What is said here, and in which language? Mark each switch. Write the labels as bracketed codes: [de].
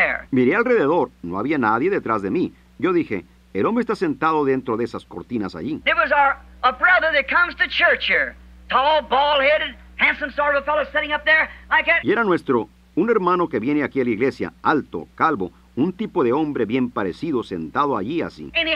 [es] Miré alrededor, no había nadie detrás de mí. Yo dije, el hombre está sentado dentro de esas cortinas allí. [en] There was a brother that comes to church here. Tall, bald-headed, handsome sort of a fellow sitting up there. Like [es] y era nuestro, un hermano que viene aquí a la iglesia, alto, calvo, un tipo de hombre bien parecido sentado allí así.